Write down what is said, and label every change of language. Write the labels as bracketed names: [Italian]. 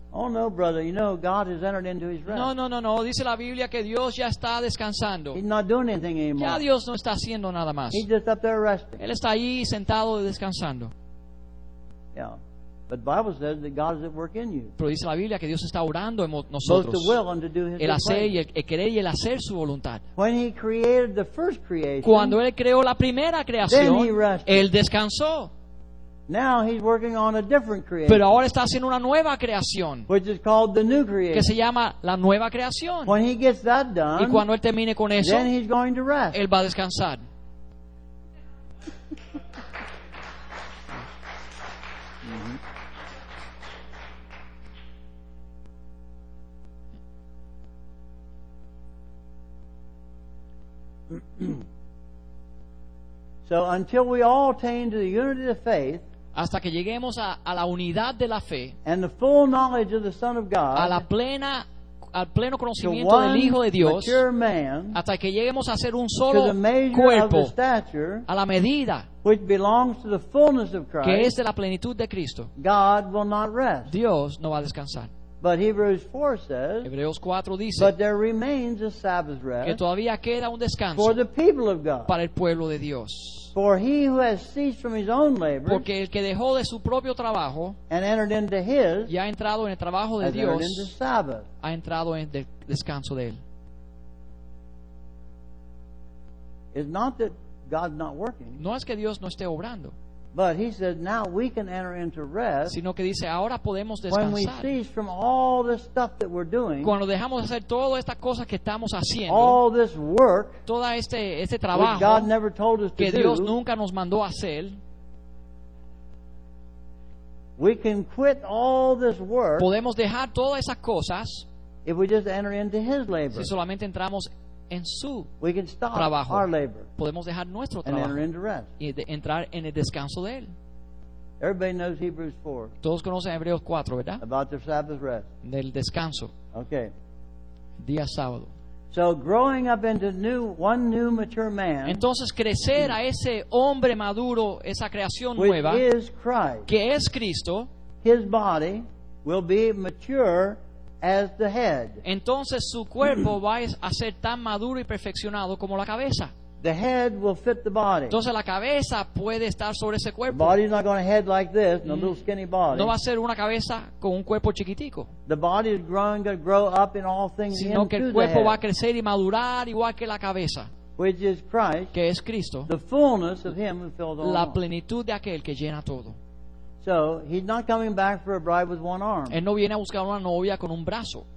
[English] Oh no, brother, you know God has entered into his rest. [Spanish] No, dice la Biblia que Dios ya está descansando. [English] He's not doing anything anymore. [Spanish] Ya Dios no está haciendo nada más. [English] He's just up there resting. [Spanish] Él está ahí sentado descansando. [English] Yeah. But the Bible says that God is at work in you. [Spanish] Pero dice la Biblia que Dios está orando en nosotros. [English] Both the will and to do his [Spanish] el hacer y el querer y el hacer su voluntad. [English] When he created the first creation, [Spanish] cuando él creó la primera creación, [English] then he rested. [Spanish] Él descansó. [English] Now he's working on a different creation. [Spanish] Pero ahora está haciendo una nueva creación. [English] Which is called the new creation. [Spanish] Que se llama la nueva creación. [English] When he gets that done, [Spanish] y cuando él termine con eso, [English] then he's going to rest. [Spanish] Él va a descansar. [English] So until we all attain to the unity of faith, [Spanish] hasta que lleguemos a la unidad de la fe, [English] and the full knowledge of the Son of God, [Spanish] a la plena al pleno conocimiento del Hijo de Dios, [English] mature man, [Spanish] hasta que lleguemos a ser un solo cuerpo, [English] stature, [Spanish] a la medida [English] which belongs to the fullness of Christ, [Spanish] que es de la plenitud de Cristo, [English] God will not rest. [Spanish] Dios no va a descansar. [English] But Hebrews 4 says, [Spanish] Hebreos 4 dice, [English] but there remains a Sabbath rest, [Spanish] que todavía queda un descanso [English] for the people of God, [Spanish] para el pueblo de Dios. [English] For he who has ceased from his own labor, [Spanish] porque el que dejó de su propio trabajo, [English] and entered into his, [Spanish] y ha entrado en el trabajo de Dios, [English] has entered into Sabbath, [Spanish] ha entrado en el descanso de él. [English] It's not that God's not working. [Spanish] No es que Dios no esté obrando. [English] But he said, now we can enter into rest, [Spanish] sino que dice, ahora podemos descansar. [English] When we cease from all the stuff that we're doing, [Spanish] cuando dejamos de hacer todas estas cosas que estamos haciendo, [English] all this work, [Spanish] todo este trabajo, [English] which God never told us [Spanish] que [English] to [Spanish] Dios [English] do, [Spanish] nunca nos mandó hacer, [English] we can quit all this work, [Spanish] podemos dejar todas esas cosas, [English] if we just enter into his labor, [Spanish] si solamente entramos en su [English] we can stop [Spanish] trabajo. [English] Our labor, [Spanish] podemos dejar nuestro [English] and [Spanish] trabajo [English] enter into rest. [Spanish] Y entrar en el descanso de él. [English] Everybody knows Hebrews 4. [Spanish] Todos conocen Hebreos 4, ¿verdad? [English] About the Sabbath rest. [Spanish] Del descanso. [English] Okay. [Spanish] Día sábado. [English] So growing up into one new mature man. [Spanish] Entonces crecer a ese hombre maduro, esa creación nueva, [English] is Christ, [Spanish] que es Cristo. [English] His body will be mature as the head. [Spanish] Entonces su cuerpo va a ser tan maduro y perfeccionado como la cabeza. [English] The head will fit the body. [Spanish] Entonces la cabeza puede estar sobre ese cuerpo. [English] The body is not going to head like this, in a little skinny body. [Spanish] No va a ser una cabeza con un cuerpo chiquitico. [English] The body is growing to grow up in all things. [Spanish] Sino que el cuerpo va a crecer y madurar igual que la cabeza. [English] Which is Christ. [Spanish] Que es Cristo. [English] The fullness of him who fills all. [Spanish] La plenitud de aquel que llena todo. [English] So he's not coming back for a bride with one arm. [Spanish] Él no viene a buscar una novia con un brazo.